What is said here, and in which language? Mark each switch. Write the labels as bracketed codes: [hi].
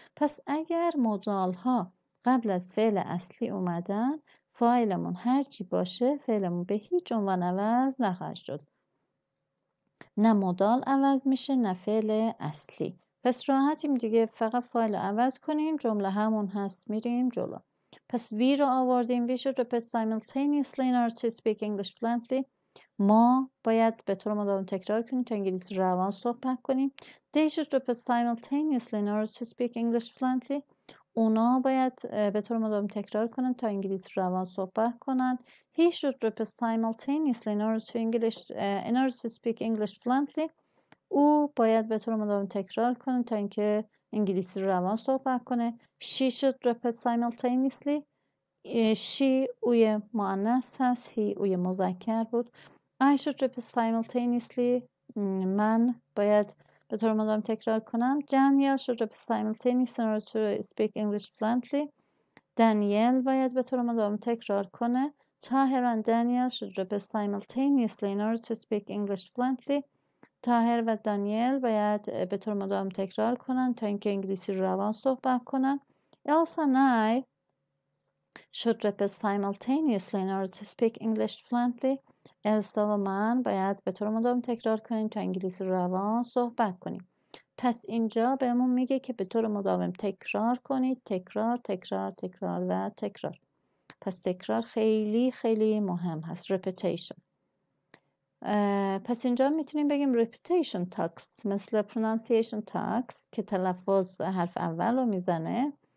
[fa] پس اگر مدال ها قبل از فعل اصلی اومدن فایلمون هرچی باشه فعلمون به هیچ عنوان عوض نخواهد شد. نه مدال عوض میشه نه فعل اصلی. پس راحتیم دیگه، فقط فایل عوض کنیم جمله همون هست میریم جلو. پس وی رو آوردیم. [en] We should repeat simultaneously in order to speak English fluently. [fa] ما باید به طور مداوم تکرار کنیم تا انگلیسی روان صحبت کنیم. [en] They should repeat simultaneously in order to speak English fluently. [fa] اونا باید به طور مداوم تکرار کنن تا انگلیسی روان صحبت کنن. [en] He should repeat simultaneously in order to English in order to speak English fluently. [fa] او باید به طور مداوم تکرار کنه تا اینکه انگلیسی رو روان صحبت کنه. [en] She should repeat simultaneously. She [fa] اوی مؤنث هست. [en] He [fa] اوی مذکر بود. [en] I should repeat simultaneously. [fa] من باید به طور مداوم تکرار کنم. [en] Daniel should repeat simultaneously in order to speak English fluently. [fa] Daniel باید به طور مداوم تکرار کنه. [en] Tahir and Daniel should repeat simultaneously in order to speak English fluently. [fa] تاهر و دانیل باید به طور مداوم تکرار کنن تا اینکه انگلیسی رو روان صحبت کنن. [en] Elsa and I should repeat simultaneously in order to speak English fluently. [fa] Elsa و من باید به طور مداوم تکرار کنیم تا انگلیسی رو روان صحبت کنیم. پس اینجا بهمون میگه که به طور مداوم تکرار کنید. تکرار، تکرار، تکرار و تکرار. پس تکرار خیلی خیلی مهم هست. Repetition. پس اینجا میتونیم بگیم repetition tax مثل pronunciation tax که تلفظ حرف اول رو میزنه.